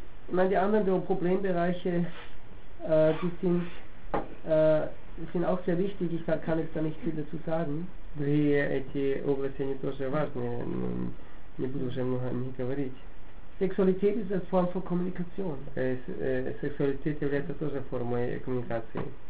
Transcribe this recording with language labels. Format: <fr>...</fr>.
<de>Meine, die anderen Problembereiche, die sind auch sehr wichtig, ich kann jetzt da nicht viel dazu sagen.</de> <ru>Другие эти области, они тоже важны, но не буду уже много о них говорить.</ru> <de>Sexualität ist eine Form von Kommunikation.</de> <ru>Сексуальность является тоже формой коммуникации.</ru>